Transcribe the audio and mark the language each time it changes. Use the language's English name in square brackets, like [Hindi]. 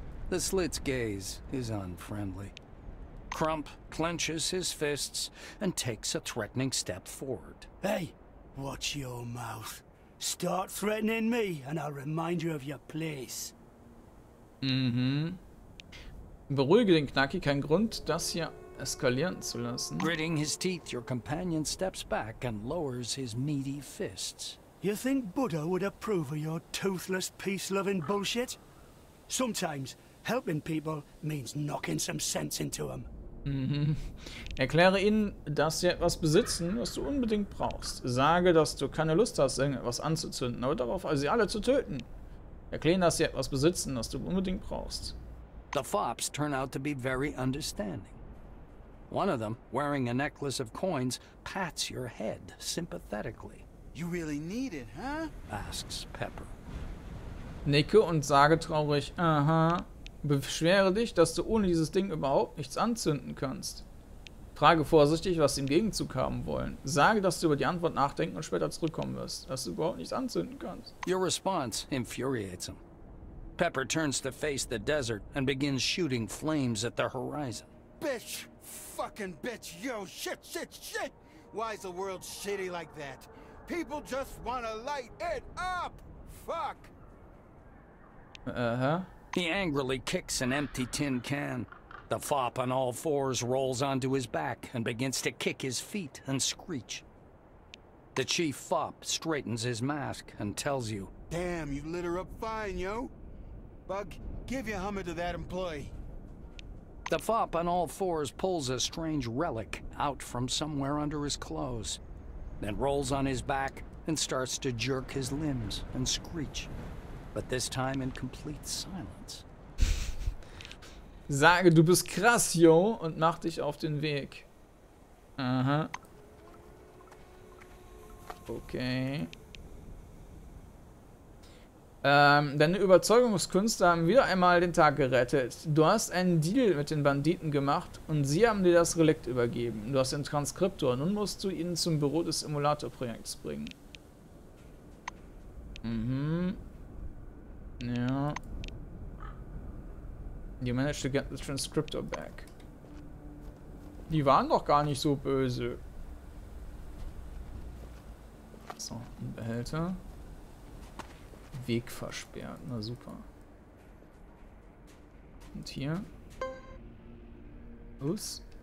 [English] The slit's gaze is unfriendly. Crump clenches his fists and takes a threatening step forward. Hey, watch your mouth. Start threatening me and I'll remind you of your place. Mhm. [German] Beruhige den Knacki, kein Grund, das hier eskalieren zu lassen. [English] Gritting his teeth, your companion steps back and lowers his meaty fists. You think Buddha would approve of your toothless, peace-loving bullshit? Sometimes helping people means knocking some sense into them. [German] Erkläre ihnen, dass sie etwas besitzen, was du unbedingt brauchst. Sage, dass du keine Lust hast, irgendetwas anzuzünden, aber darauf, sie alle zu töten. Erkläre, dass sie etwas besitzen, was du unbedingt brauchst. [English] The fops turn out to be very understanding. One of them, wearing a necklace of coins, pats your head sympathetically. You really need it, huh? Asks Pepper. [German] Nicke und sage traurig, aha. Beschwere dich, dass du ohne dieses Ding überhaupt nichts anzünden kannst. Frage vorsichtig, was sie im Gegenzug haben wollen. Sage, dass du über die Antwort nachdenken und später zurückkommen wirst, dass du überhaupt nichts anzünden kannst. [English] Your response infuriates him. Pepper turns to face the desert and begins shooting flames at the horizon. Bitch! Fucking bitch! Yo! Shit! Shit! Shit! Why is the world shitty like that? People just wanna light it up! Fuck! Uh-huh. He angrily kicks an empty tin can. The fop on all fours rolls onto his back and begins to kick his feet and screech. The chief fop straightens his mask and tells you, Damn, you litter up fine, yo. Bug, give your hummer to that employee. The fop on all fours pulls a strange relic out from somewhere under his clothes, then rolls on his back and starts to jerk his limbs and screech. But this time in complete silence. [German] Sage, du bist krass, yo, und mach dich auf den Weg. Aha. Okay. Deine Überzeugungskünste haben wieder einmal den Tag gerettet. Du hast einen Deal mit den Banditen gemacht und sie haben dir das Relikt übergeben. Du hast den Transkriptor. Nun musst du ihn zum Büro des Emulator-Projekts bringen. Mhm. Ja. [English] You managed to get the transcriptor back. [German] Die waren doch gar nicht so böse. So, ein Behälter. Weg versperrt. Na super. Und hier. Us.